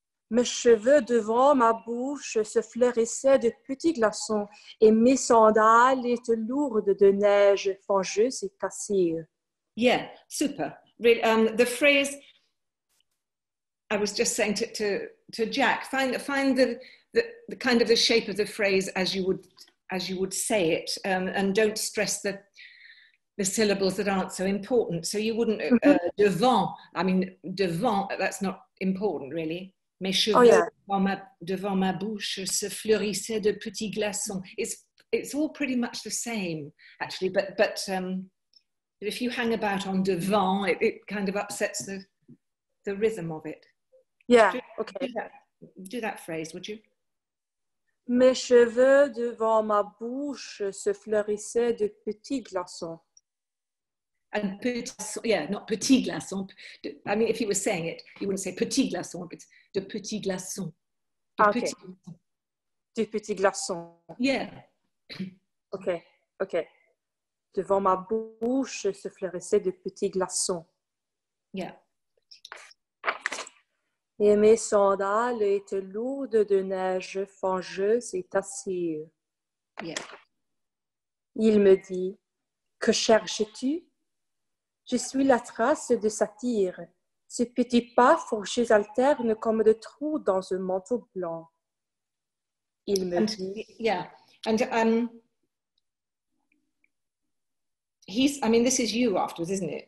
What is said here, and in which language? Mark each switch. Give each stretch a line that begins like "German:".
French: Mes cheveux devant ma bouche se fleurissaient de petits glaçons et mes sandales étaient lourdes de neige, fangeuses et cassées.
English: Yeah, super. Really, the phrase I was just saying to Jack, find the kind of the shape of the phrase as you would say it, and don't stress the syllables that aren't so important. So you wouldn't, devant, that's not important really.
French: Mes cheveux devant ma bouche se fleurissaient de petits glaçons.
English: It's all pretty much the same actually, but if you hang about on devant, it kind of upsets the rhythm of it. Yeah, okay. Do that phrase, would you?
French: Mes cheveux devant ma bouche se fleurissaient de petits glaçons.
English: And not
French: petit glaçon.
English: I mean, if he was saying it, he wouldn't say petit glaçon, but
French: de petit glaçon. De petit glaçon.
English: Yeah.
French: Okay. Devant ma bouche se fleurissait de petits glaçons.
English: Yeah.
French: Et mes sandales étaient lourdes de neige, fangeuses et tassées.
English: Yeah.
French: Il me dit, que cherches-tu? Je suis la trace de satyre. Ces petits pas fourchés alternent comme de trous dans un manteau blanc. Il me dit.
English: Yeah. And he's, I mean, this is you afterwards, isn't it?